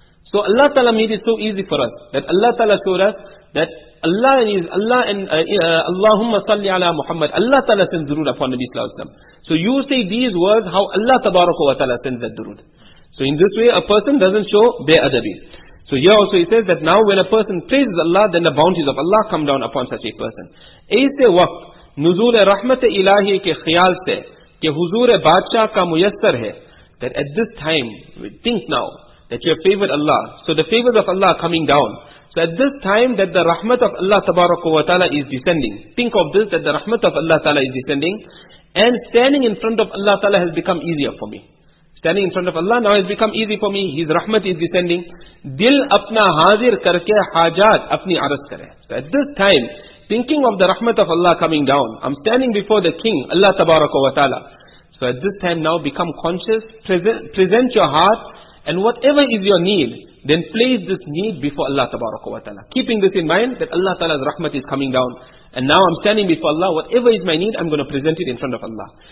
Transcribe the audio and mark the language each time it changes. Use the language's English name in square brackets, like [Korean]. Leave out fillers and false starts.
[English] So Allah ta'ala made it so easy for us, that Allah ta'ala showed us that Allah is Allah and [Arabic] Allahumma salli ala Muhammad. [English] Allah ta'ala sends durood upon Nabi [Arabic] sallallahu alayhi wa sallam. [English] So you say these words, how Allah tabaraka wa ta'ala sends that durood. So in this way, a person doesn't show bare adabi. So here also he says that now when a person praises Allah, then the bounties of Allah come down upon such a person. [Urdu] Aise waqt نزول رحمت الہی کے خیال سے کہ حضور بادشاہ کا میسر ہے. [English] That at this time, think now, that you have favored Allah. So the favors of Allah are coming down. So at this time that the rahmat of Allah tabaraka wa ta'ala is descending. Think of this, that the rahmat of Allah ta'ala is descending. And standing in front of Allah ta'ala has become easier for me. Standing in front of Allah now has become easy for me. His rahmat is descending. [Urdu] دل اپنا حاضر کر کے حاجات اپنی عرض کرے. [English] So at this time, thinking of the rahmat of Allah coming down, I'm standing before the King, Allah tabaraka wa ta'ala. So at this time now, become conscious, present your heart, and whatever is your need, then place this need before Allah tabaraka wa ta'ala. Keeping this in mind, that Allah ta'ala's rahmat is coming down. And now I'm standing before Allah, whatever is my need, I'm going to present it in front of Allah.